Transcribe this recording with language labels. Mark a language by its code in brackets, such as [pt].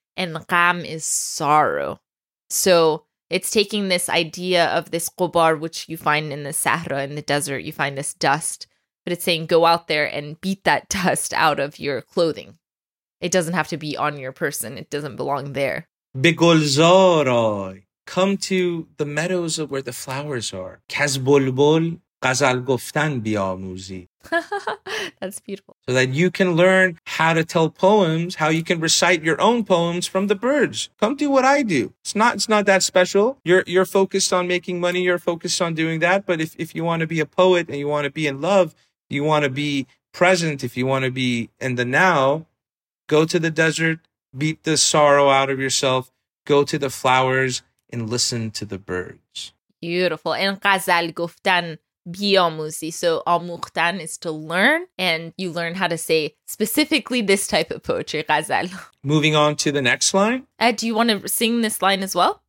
[en] And Qam is sorrow. So it's taking this idea of this Qobar, which you find in the Sahra, in the desert. You find this dust. But it's saying go out there and beat that dust out of your clothing. It doesn't have to be on your person. It doesn't belong there. [fa] به گلزار آی. [en] Come to the meadows of where the flowers are. [fa] کز بلبل غزل گفتن بیاموزی. [en] That's beautiful. So that you can learn how to tell poems, how you can recite your own poems from the birds. Come do what I do. It's not that special. You're focused on making money. You're focused on doing that. But if you want to be a poet and you want to be in love, you want to be present, if you want to be in the now, go to the desert, beat the sorrow out of yourself, go to the flowers and listen to the birds. Beautiful. And [fa] غزل گفتن بیاموزی. [en] So آموختن is to learn, and you learn how to say specifically this type of poetry, غزل. Moving on to the next line. Do you want to sing this line as well?